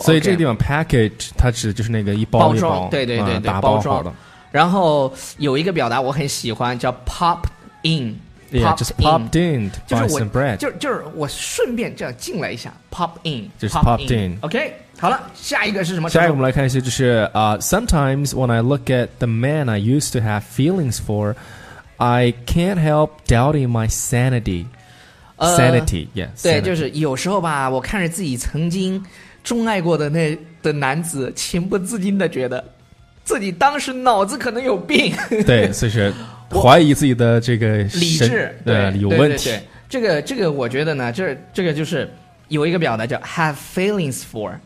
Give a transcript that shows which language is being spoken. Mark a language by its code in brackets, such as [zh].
[zh] 所以这个地方 package 它指就是那个一包一 包对对对对、嗯、包装。然后有一个表达我很喜欢叫 pop in， [en] yeah just popped in to buy some bread， [zh] 就是我顺便这样进来一下 pop in， [en] just popped in。 [zh] OK，好了，下一个是什么？下一个我们来看一下，就是 [en] sometimes when I look at the man I used to have feelings for, I can't help doubting my sanity. Sanity, yes. [zh] 对，就是有时候吧，我看着自己曾经钟爱过的那的男子，情不自禁的觉得自己当时脑子可能有病。对，所以是怀疑自己的这个理智，对，有问题。对对对，这个我觉得呢，这个就是有一个表达叫 have feelings for。